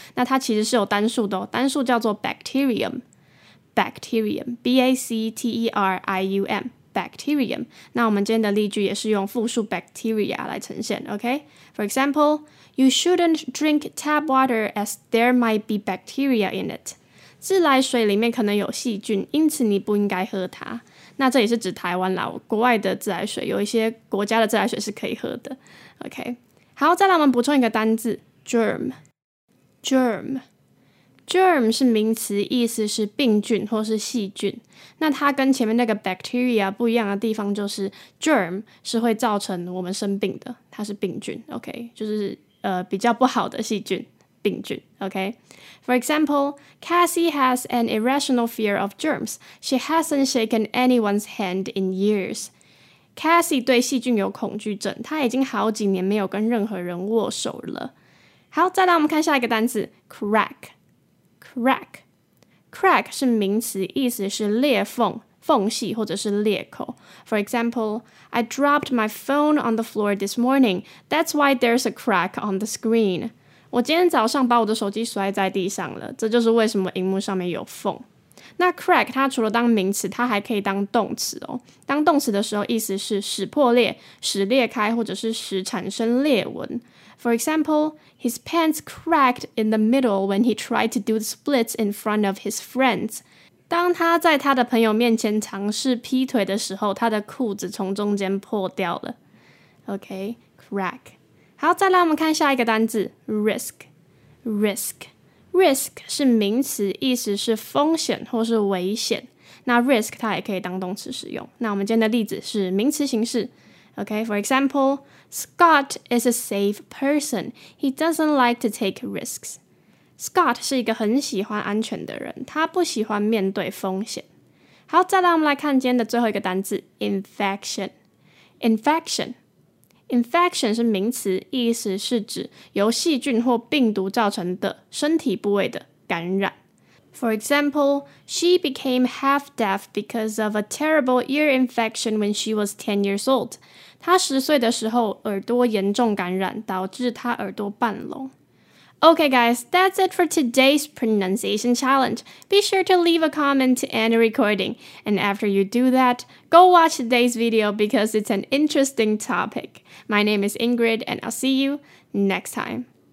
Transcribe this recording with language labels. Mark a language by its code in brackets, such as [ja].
[zh] 那它其实是有单数的哦，单数叫做 bacterium. Bacterium. [en] B-A-C-T-E-R-I-U-M. Bacterium. [zh] 那我们今天的例句也是用复数 bacteria 来呈现 ,okay? [en] For example,You shouldn't drink tap water as there might be bacteria in it. [zh] 自来水里面可能有细菌，因此你不应该喝它。那这也是指台湾啦，国外的自来水，有一些国家的自来水是可以喝的。 OK， 好，再来我们补充一个单字 ,germ。germ。 germ 是名词，意思是病菌或是细菌。那它跟前面那个 bacteria 不一样的地方就是 germ 是会造成我们生病的，它是病菌 ,OK, 就是比较不好的细菌病菌 ,OK? [en] For example, Cassie has an irrational fear of germs. She hasn't shaken anyone's hand in years. [zh] Cassie 对细菌有恐惧症，她已经好几年没有跟任何人握手了。好，再来我们看下一个单词 ,crack。Crack. Crack 是名词，意思是裂缝、缝隙或者是裂口。 [en] For example, I dropped my phone on the floor this morning. That's why there's a crack on the screen. [zh] 我今天早上把我的手机摔在地上了，这就是为什么荧幕上面有缝。那 crack 它除了当名词，它还可以当动词哦。当动词的时候，意思是使破裂、使裂开，或者是使产生裂纹。 [en] For example, his pants cracked in the middle when he tried to do the splits in front of his friends. [zh] 当他在他的朋友面前尝试劈腿的时候，他的裤子从中间破掉了。 OK, crack. 好，再来我们看下一个单字 risk. Risk. Risk 是名词，意思是风险或是危险。那 risk 它也可以当动词使用。那我们今天的例子是名词形式。 [en] Okay, for example, Scott is a safe person. He doesn't like to take risks. [zh] Scott 是一个很喜欢安全的人，他不喜欢面对风险。好，再来我们来看今天的最后一个单字 infection. Infection. Infection 是名词，意思是指由细菌或病毒造成的身体部位的感染。 [en] For example, she became half deaf because of a terrible ear infection when she was 10 years old. [zh] 她十岁的时候耳朵严重感染，导致她耳朵半聋。 [en] Okay guys, that's it for today's pronunciation challenge. Be sure to leave a comment to end the recording. And after you do that, go watch today's video because it's an interesting topic. My name is Ingrid and I'll see you next time.